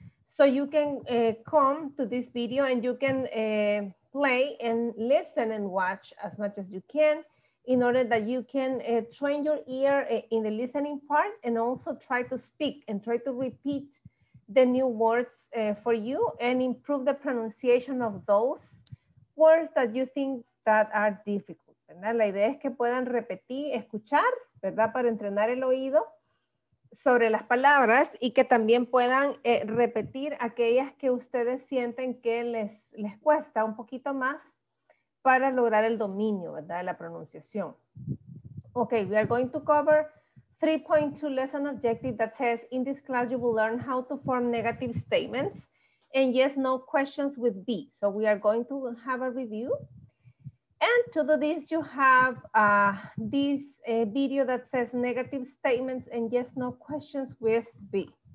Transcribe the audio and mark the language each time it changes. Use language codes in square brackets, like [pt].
[en] So you can come to this video and you can play and listen and watch as much as you can in order that you can train your ear in the listening part and also try to speak and try to repeat the new words for you and improve the pronunciation of those words that you think that are difficult. [es] ¿Verdad? La idea es que puedan repetir, escuchar, ¿verdad? Para entrenar el oído sobre las palabras y que también puedan repetir aquellas que ustedes sienten que les cuesta un poquito más para lograr el dominio, ¿verdad? De la pronunciación. [en] Okay, we are going to cover 3.2 lesson objective that says, in this class, you will learn how to form negative statements and yes, no questions with B. So we are going to have a review. And to do this, you have this video that says negative statements and yes, no questions with B.